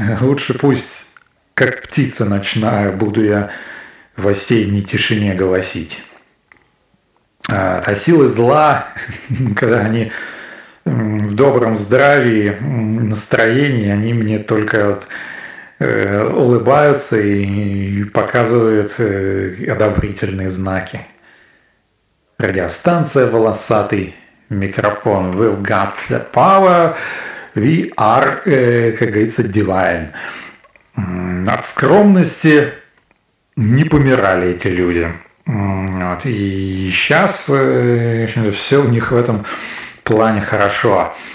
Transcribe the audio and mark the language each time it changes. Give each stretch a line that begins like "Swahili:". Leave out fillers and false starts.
Russian: Лучше пусть, как птица ночная, буду я в осенней тишине голосить. А силы зла, когда они в добром здравии, настроении, они мне только вот улыбаются и показывают одобрительные знаки. Радиостанция «Волосатый микрофон».
English: We've got the power. We are,
Russian: как говорится,
English: divine.
Russian: От скромности не помирали эти люди. Вот. И сейчас все у них в этом плане хорошо.